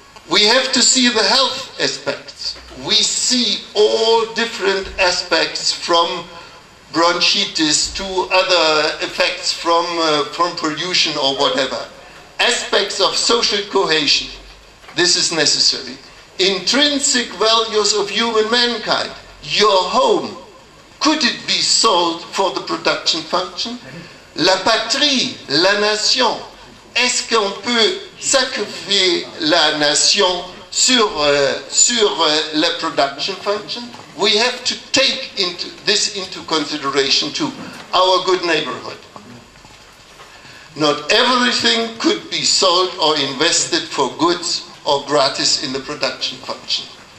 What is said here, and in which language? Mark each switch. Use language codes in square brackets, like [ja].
[en] We have to see the health aspects. We see all different aspects from bronchitis to other effects from pollution or whatever. Aspects of social cohesion, this is necessary. Intrinsic values of human mankind, your home, could it be sold for the production function? [fr] La patrie, la nation, est-ce qu'on peut sacrifier la nation sur la [en] production function? We have to take this into consideration too, our good neighborhood. Not everything could be sold or invested for goods or gratis in the production function.